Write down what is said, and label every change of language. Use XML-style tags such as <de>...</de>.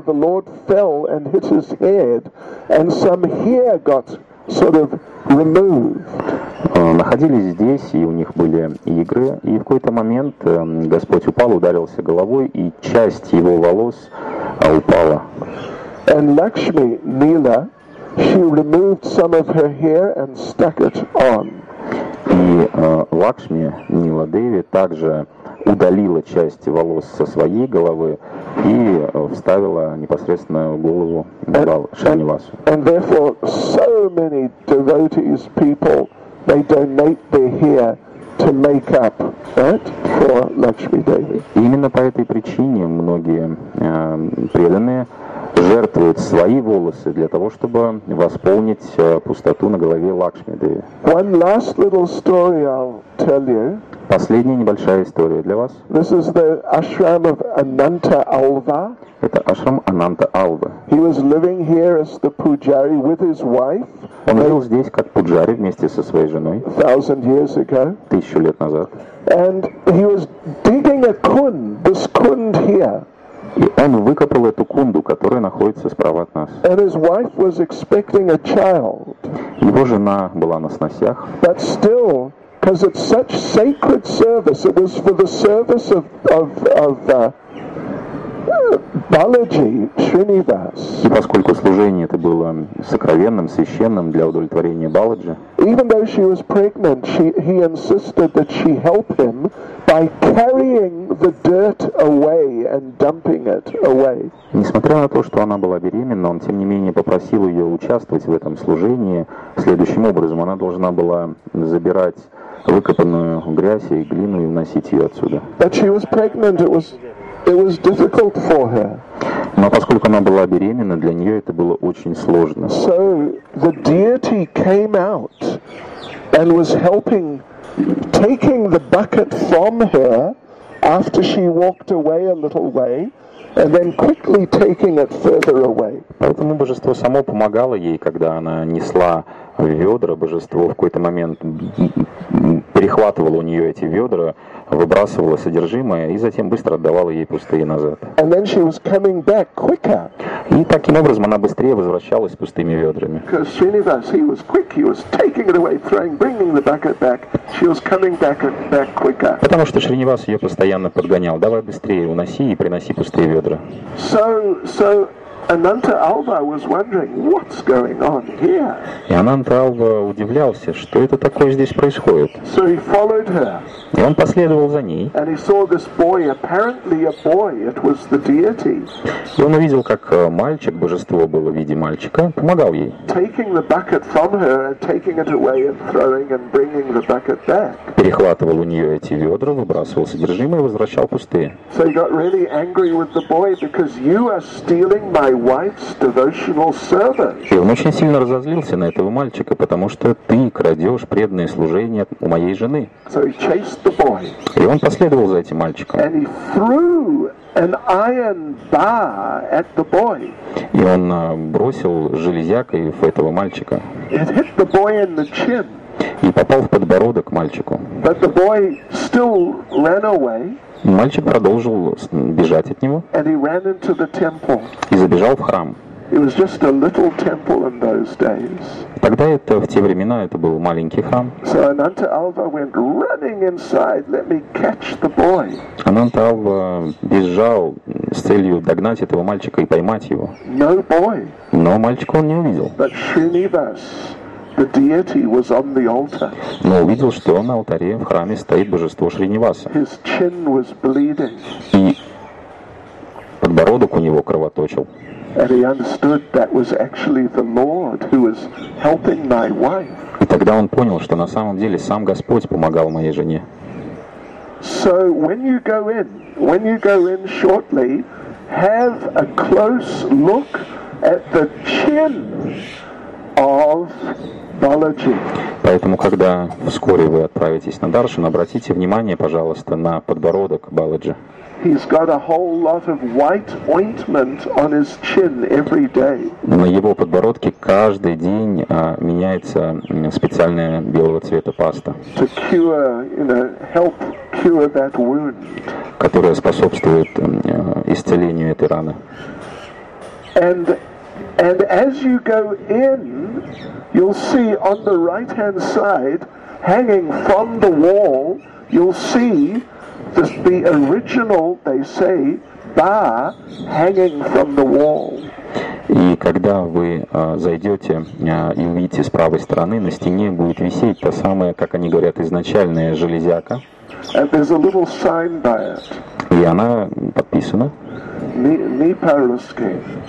<en>The Lord fell and hit his head, and some hair got sort of removed.</en> <ru>Находились здесь, и у них были игры, и в какой-то момент Господь упал, ударился головой, и часть его волос упала.</ru> <en>And Lakshmi, Neela, she removed some of her hair and stuck it on.</en> <ru>И Лакшми, Нила Деви, также удалила часть волос со своей головы и вставила непосредственно в голову Шринивасу.</ru> <en>And therefore, so many devotees, people, they donate their hair to make up, right, for Lakshmi Devi.</en> <ru>Именно по этой причине многие преданные жертвуют свои волосы для того, чтобы восполнить пустоту на голове Лакшми Деви.</ru> <en>One last little story I'll tell you.</en> <ru>Последняя небольшая история для вас.</ru> <en>This is the ashram of Ananta Alva.</en> <ru>Это ашрам Ананта Алвы.</ru> <en>He was living here as the pujari with his wife.</en> <ru>Он жил здесь как пуджари вместе со своей женой.</ru> <en>1,000 years ago.</en> <ru>1,000 лет назад.</ru> <en>And he was digging a kund, this kund here.</en> <ru>И он выкопал эту кунду, которая находится справа от нас.</ru> <en>And his wife was expecting a child.</en> <ru>Его жена была на сносях.</ru> <en>But still, because it's such sacred service, it was for the service of Balaji Srinivas,</en> <ru>и поскольку служение это было сокровенным, священным для удовлетворения Баладжи,</ru> <en>even though she was pregnant, he insisted that she help him by carrying the dirt away and dumping it away.</en> <ru>Несмотря на то, что она была беременна, он тем не менее попросил ее участвовать в этом служении следующим образом: она должна была забирать выкопанную грязь и глину и вносить ее отсюда.</ru> <en>But she was pregnant, it was difficult for her.</en> <ru>Но поскольку она была беременна, для нее это было очень сложно.</ru> <en>So the deity came out and was helping, taking the bucket from her after she walked away a little way, and then quickly taking it further away.</en> <ru>Поэтому божество само помогало ей, когда она несла ведра. Божество в какой-то момент перехватывало у нее эти ведра, выбрасывало содержимое и затем быстро отдавало ей пустые назад.</ru> <en>And then she was coming back quicker.</en> <ru>И таким образом она быстрее возвращалась с пустыми ведрами.</ru> <en>Because Srinivas, he was quick, he was taking it away, throwing, bringing the bucket back. She was coming back quicker.</en> <ru>Потому что Шринивас ее постоянно подгонял: давай быстрее, уноси и приноси пустые ведра.</ru> <en>So Ananta Alva was wondering, what's going on here?</en> <ru>И Ананта Алва удивлялся, что это такое здесь происходит.</ru> <en>So he followed her.</en> <ru>И он последовал за ней.</ru> <en>And he saw this boy, apparently a boy, it was the deity.</en> <ru>И он увидел, как мальчик, божество было в виде мальчика, помогал ей.</ru> <en>Taking the bucket from her and taking it away and throwing and bringing the bucket back.</en> <ru>Перехватывал у нее эти ведра, выбрасывал содержимое и возвращал пустые.</ru> <en>So he got really angry with the boy because you are stealing my wife's devotional service.</en> <ru>И он очень сильно разозлился на этого мальчика, потому что ты крадешь преданное служение у моей жены.</ru> <en>So he chased the boy.</en> <ru>И он последовал за этим мальчиком.</ru> <en>And he threw an iron bar at the boy.</en> <ru>И он бросил железякой в этого мальчика.</ru> <en>It hit the boy in the chin.</en> <ru>И попал в подбородок мальчику.</ru> <en>But the boy still ran away.</en> <ru>Мальчик продолжил бежать от него и забежал в храм. Тогда это, в те времена, это был маленький храм.</ru> <en>So Ananta Alva went running inside, let me catch the boy.</en> <ru>Ананта Алва бежал с целью догнать этого мальчика и поймать его.</ru> <en>No boy.</en> <ru>Но мальчика он не увидел.</ru> <en>But Srinivas, the deity was on the altar.</en> <ru>Но увидел, что на алтаре в храме стоит божество Шриневаса.</ru> <en>His chin was bleeding.</en> <ru>И подбородок у него кровоточил.</ru> <en>And he understood that was actually the Lord who was helping my wife.</en> <ru>И тогда он понял, что на самом деле сам Господь помогал моей жене.</ru> <en>So when you go in shortly, have a close look at the chin of Balaji.</en> <ru>Поэтому, когда вскоре вы отправитесь на даршан, обратите внимание, пожалуйста, на подбородок Баладжи.</ru> <en>He's got a whole lot of white ointment on his chin every day.</en> <ru>На его подбородке каждый день меняется специальная белого цвета паста.</ru> <en>To cure, you know, help cure that wound.</en> <ru>Которая способствует исцелению этой раны.</ru> <en>And as you go in, you'll see on the right-hand side, hanging from the wall, you'll see the original, they say, bar hanging from the wall.</en> <ru>И когда вы зайдете и увидите с правой стороны, на стене будет висеть та самая, как они говорят, изначальная железяка.</ru> <en>And there's a little sign by it.</en> <ru>И она подписана. Непарусский.</ru>